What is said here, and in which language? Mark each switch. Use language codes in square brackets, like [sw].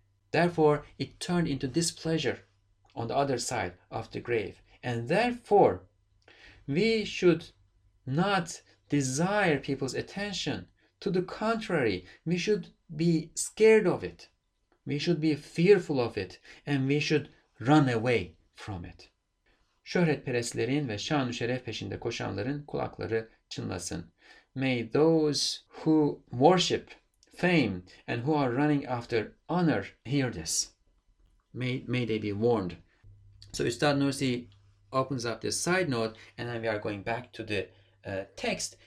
[en] Therefore, it turned into displeasure on the other side of the grave. And therefore, we should not desire people's attention. To the contrary, we should be scared of it. We should be fearful of it, and we should run away from it. [tr] Şöhret perestlerin ve şan-ı şeref peşinde koşanların kulakları çınlasın. [en] May those who worship fame and who are running after honor hear this. May they be warned. So Üstad Nursi opens up this side note, and then we are going back to the text.